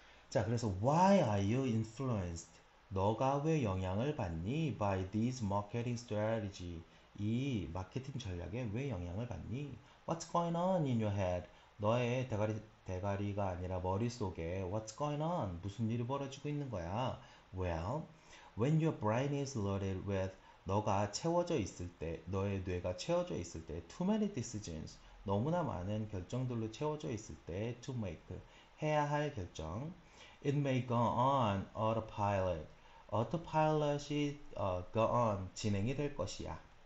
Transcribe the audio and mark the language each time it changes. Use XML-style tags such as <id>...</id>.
<ko>자, 그래서</ko> <en>why are you influenced?</en> <ko>너가 왜 영향을 받니?</ko> <en>By this marketing strategy.</en> <ko>이 마케팅 전략에 왜 영향을 받니?</ko> <en>What's going on in your head?</en> <ko>너의 대가리가 아니라 머릿속에</ko> <en>What's going on?</en> <ko>무슨 일이 벌어지고 있는 거야?</ko> <en>Well, when your brain is loaded with</en> <ko>너가 채워져 있을 때, 너의 뇌가 채워져 있을 때,</ko> <en>too many decisions.</en> <ko>너무나 많은 결정들로 채워져 있을 때,</ko> <en>to make.</en> <ko>해야 할 결정.</ko> <en>It may go on autopilot.</en> <ko>Autopilot이</ko> <en>go on</en> <ko>진행이 될 것이야.</ko>